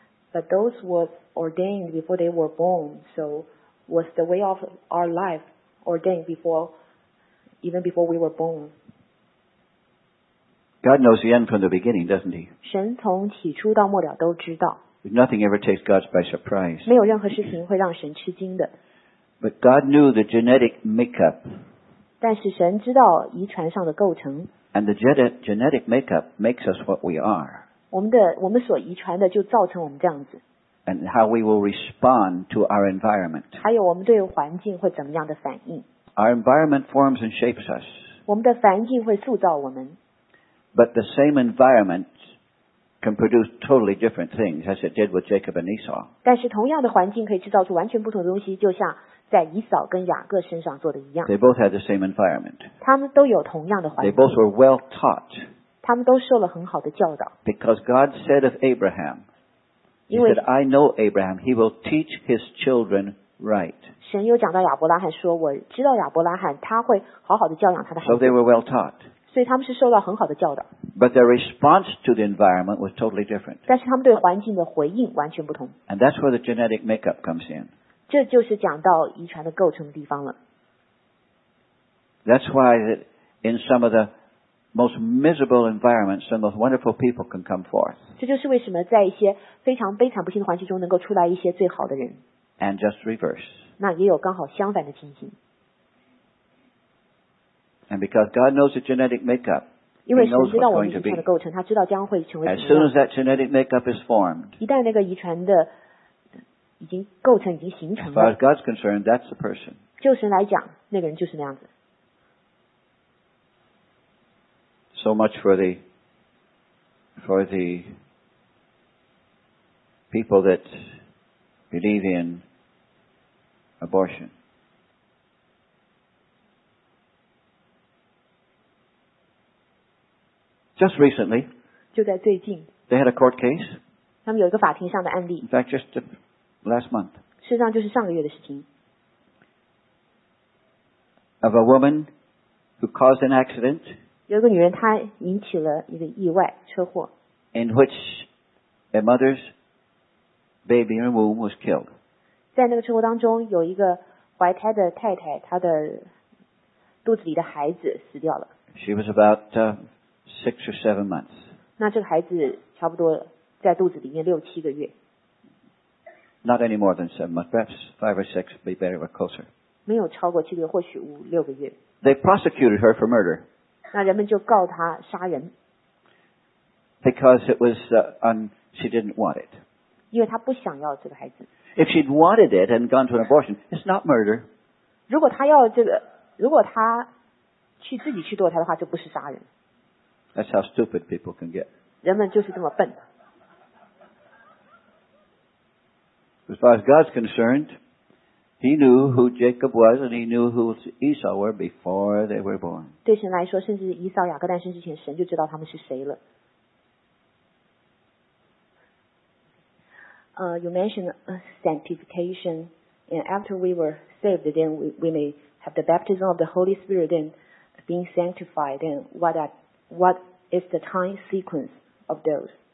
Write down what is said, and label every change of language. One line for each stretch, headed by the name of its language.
English: But those were ordained before they were born. So was the way of our life ordained before, even before we were born? God knows the end from the beginning, doesn't he?
Chinese: 神从起初到末了都知道。
English: Nothing ever takes God by surprise.
Chinese: 没有任何事情会让神吃惊的。
English: But God knew the genetic makeup.
Chinese: 但是神知道遗传上的构成。
English: And the genetic makeup makes us what we are.
Chinese: 我们所遗传的就造成我们这样子。
English: And how we will respond to our environment.
Chinese: 还有我们对环境会怎么样的反应。
English: Our environment forms and shapes us.
Chinese: 我们的环境会塑造我们。
English: But the same environment can produce totally different things, as it did with Jacob and Esau.
Chinese: 但是同样的环境可以制造出完全不同的东西，就像在以扫跟雅各身上做的一样。
English: They both had the same environment.
Chinese: 他们都有同样的环境。
English: They both were well taught.
Chinese: 他们都受了很好的教导。
English: Because God said of Abraham, He said, "I know Abraham. He will teach his children right."
Chinese: 神有讲到亚伯拉罕说，我知道亚伯拉罕，他会好好的教养他的孩子。
English: So they were well taught.
Chinese: 所以他们是受到很好的教导。
English: But their response to the environment was totally different.
Chinese: 但是他们对环境的回应完全不同。
English: And that's where the genetic makeup comes in.
Chinese: 这就是讲到遗传的构成的地方了。
English: That's why in some of the most miserable environments, some of the most wonderful people can come forth.
Chinese: 这就是为什么在一些非常悲惨不幸的环境中能够出来一些最好的人。
English: And just reverse.
Chinese: 那也有刚好相反的情形。
English: And because God knows the genetic makeup, He knows what's going to be.
Chinese: 因为神知道我们遗传的构成，他知道将会成为什么。
English: As soon as that genetic makeup is formed,
Chinese: 一旦那个遗传的已经构成已经形成了。
English: As far as God's concerned, that's the person.
Chinese: 就神来讲，那个人就是那样子。
English: So much for the people that believe in abortion. Just recently,
Chinese: 就在最近
English: they had a court case.
Chinese: 他们有一个法庭上的案例。
English: In fact, just aLast month.
Chinese: 事实上就是上个月的事情。
English: Of a woman who caused an accident.
Chinese: 有个女人她引起了一个意外车祸。
English: In which a mother's baby in her womb was killed.
Chinese: 在那个车祸当中有一个怀胎的太太她的肚子里的孩子死掉了。
English: She was about 6 or 7 months.
Chinese: 那这个孩子差不多在肚子里面六七个月。
English: Not any more than 7 months, perhaps 5 or 6, be better or closer.
Chinese: 没有超过七个月，或许五六个月。
English: They prosecuted her for murder.
Chinese: 那人们就告她杀人。
English: Because it was she didn't want it.
Chinese: 因为她不想要这个孩子。
English: If she'd wanted it and gone to an abortion, it's not murder.
Chinese: 如果她要这个，如果她去自己去堕胎的话，就不是杀人。
English: That's how stupid people can get.
Chinese: 人们就是这么笨。
English: As far as God's concerned, He knew who Jacob was and He knew who Esau were before they were born.
Chinese: 对神来说，甚至以扫、雅各诞生之前，神就知道他们是谁了。
English: You mentioned sanctification, and after we were saved, then we may have the baptism of the Holy Spirit, then being sanctified. Then what is the time sequence of those?